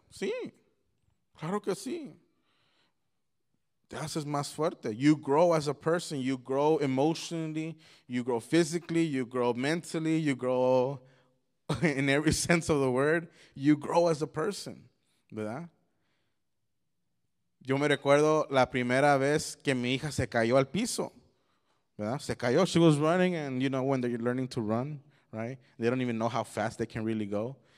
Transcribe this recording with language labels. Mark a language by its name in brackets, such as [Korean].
[Spanish] Sí, claro que sí. Te haces más fuerte. [English] You grow as a person. You grow emotionally. You grow physically. You grow mentally. You grow in every sense of the word. You grow as a person, ¿verdad? [Spanish] Yo me recuerdo la primera vez que mi hija se cayó al piso. ¿Verdad? Se cayó. [English] She was running, and you know when they're learning to run, right? They don't even know how fast they can really go.